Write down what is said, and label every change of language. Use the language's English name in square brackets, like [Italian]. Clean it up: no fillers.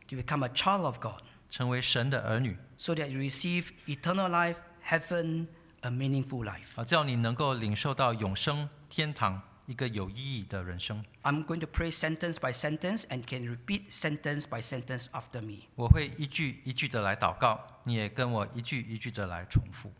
[English] To become a child of God. [Chinese] 成为神的儿女。 [English] So that you receive eternal life, heaven, a meaningful life. [Chinese] 叫你能够领受到永生天堂，一个有意义的人生。 [English] I'm going to pray sentence by sentence and can repeat sentence by sentence after me. [Chinese] 我会一句一句的来祷告，你也跟我一句一句的来重复。